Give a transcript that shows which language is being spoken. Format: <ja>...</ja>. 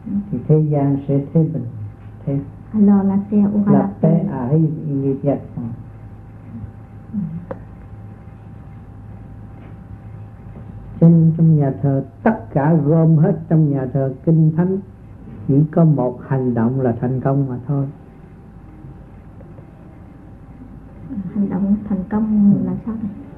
<vi>Thì thế gian sẽ thấy bình, thế.</vi> <fr>Alors la terre aura la paix. La paix arrive immédiatement.</fr> <vi>Cho nên trong nhà thờ, tất cả gom hết trong nhà thờ kinh thánh, chỉ có một hành động là thành công mà thôi. Hành động thành công là sao đây?</vi>